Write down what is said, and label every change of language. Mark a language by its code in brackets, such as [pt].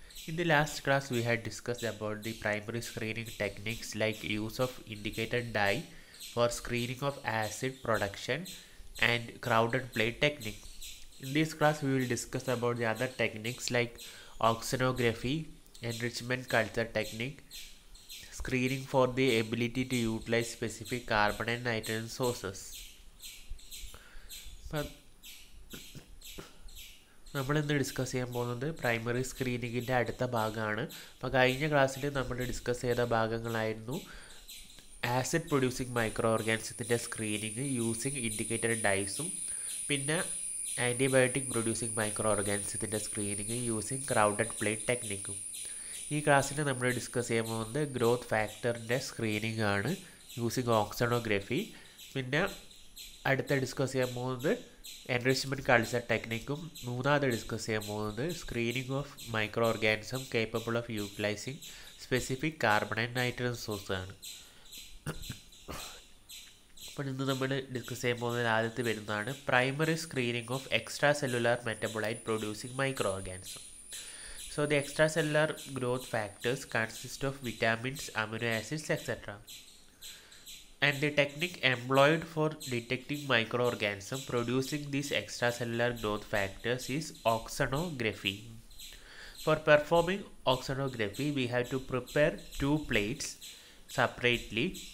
[en] In the last class, we had discussed about the primary screening techniques like use of indicated dye for screening of acid production and crowded plate technique. In this class, we will discuss about the other techniques like auxinography, enrichment culture technique, screening for the ability to utilize specific carbon and nitrogen sources. [ml] നമ്മളിന്ന് discuss ചെയ്യാൻ പോകുന്നത് primary സ്ക്രീനിങ്ങിൻ്റെ അടുത്ത ഭാഗമാണ്. അപ്പോൾ കഴിഞ്ഞ ക്ലാസ്സിൽ നമ്മൾ discuss ചെയ്ത ഭാഗങ്ങളായിരുന്നു acid producing micro ഓർഗാനിസത്തിൻ്റെ screening using indicated ഡൈസും പിന്നെ antibiotic producing micro ഓർഗാനിസത്തിൻ്റെ screening using crowded plate ടെക്നിക്കും. ഈ ക്ലാസ്സിൽ നമ്മൾ ഡിസ്കസ് ചെയ്യാൻ പോകുന്നത് ഗ്രോത്ത് ഫാക്ടറിൻ്റെ സ്ക്രീനിങ് ആണ് യൂസിങ് ഓക്സിനോഗ്രഫി. പിന്നെ അടുത്ത ഡിസ്കസ് ചെയ്യാൻ പോകുന്നത് എൻറിച്ച്മെൻറ്റ് കൾച്ചർ ടെക്നിക്കും മൂന്നാമത് ഡിസ്കസ് ചെയ്യാൻ പോകുന്നത് [en] Screening of microorganism capable of utilising specific carbon and nitrogen സോഴ്സാണ്. [ml] അപ്പോൾ ഇന്ന് നമ്മൾ ഡിസ്കസ് ചെയ്യാൻ പോകുന്നതിൽ ആദ്യത്തെ വരുന്നതാണ് [en] Primary screening of extracellular metabolite producing microorganism. So the extracellular growth factors consist of vitamins, amino acids etcetera. And the technique employed for detecting microorganism producing these extracellular growth factors is auxinography. For performing auxinography, we have to prepare two plates separately.